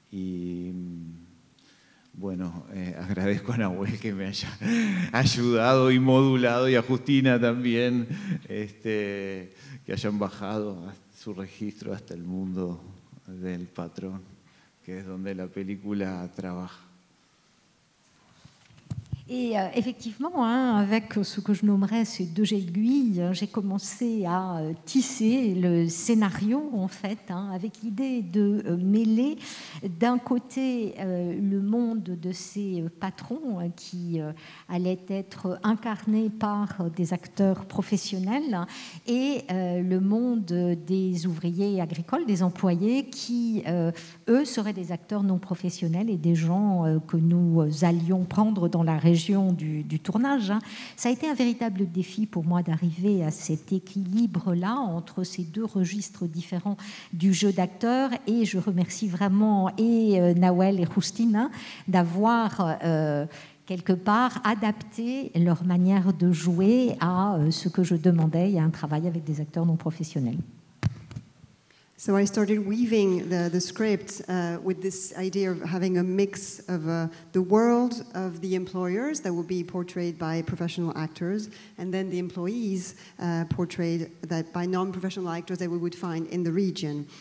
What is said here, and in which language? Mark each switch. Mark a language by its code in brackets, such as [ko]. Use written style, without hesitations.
[es] Y bueno, agradezco a Nahuel que me haya ayudado y modulado y a Justina también que hayan bajado su registro hasta el mundo del patrón, que es donde la película trabaja. [fr] Et effectivement, avec ce que je nommerais ces deux aiguilles, j'ai commencé à tisser le scénario, en fait, avec l'idée de mêler d'un côté le monde de ces patrons qui allaient être incarnés par des acteurs professionnels et le monde des ouvriers agricoles, des employés qui, eux, seraient des acteurs non professionnels et des gens que nous allions prendre dans la région du tournage. Ça a été un véritable défi pour moi d'arriver à cet équilibre-là entre ces deux registres différents du jeu d'acteur et je remercie vraiment et Nahuel et Justina d'avoir quelque part adapté leur manière de jouer à ce que je demandais, il y a un travail avec des acteurs non professionnels. [en] So I started weaving the script with this idea of having a mix of the world of the employers that will be portrayed by professional actors, and then the employees portrayed that by non-professional actors that we would find in the region.